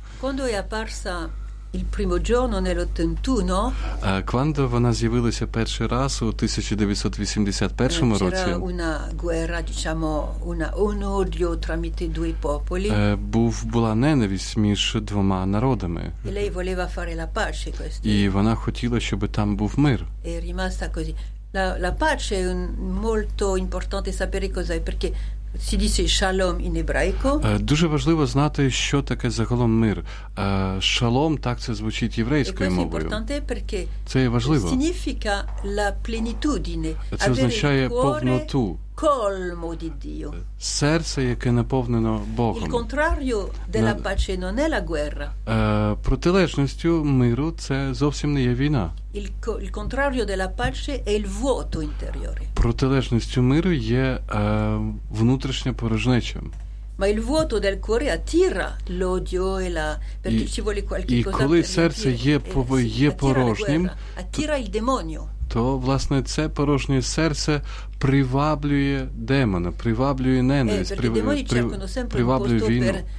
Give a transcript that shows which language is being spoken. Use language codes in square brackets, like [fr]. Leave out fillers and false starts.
[it] Quando è apparsa il primo giorno nell'81? [uk] Quando вона з'явилася перший раз у 1981 році? [it] C'era una guerra, diciamo, un odio tramite due popoli. [uk] Була ненависть між двома народами. [it] E lei voleva fare la pace questo. [uk] І вона хотіла, щоб там був мир. [it] È rimasta così. La pace è molto importante sapere cosa è, perché si dice shalom in ebraico. [uk] Дуже важливо знати, що таке загалом мир. Шалом, так це звучить єврейською мовою. Це є важливо. [it] Significa la plenitudine. [uk] Це означає повноту. [it] Colmo di Dio. [uk] Серце, яке наповнено Богом. [it] Il contrario della pace non è la guerra. [uk] Протилежністю миру це зовсім не є війна. [it] Il contrario della pace è il vuoto interiore. [uk] Протилежністю миру є внутрішня порожнеча. [it] Ma il vuoto del cuore attira l'odio e la perché ci vuole qualcosa. [uk] І коли серце є порожнім, [it] attira il demonio. [uk] То, власне, це порожнє серце приваблює демона, приваблює ненависть, приваблює війну.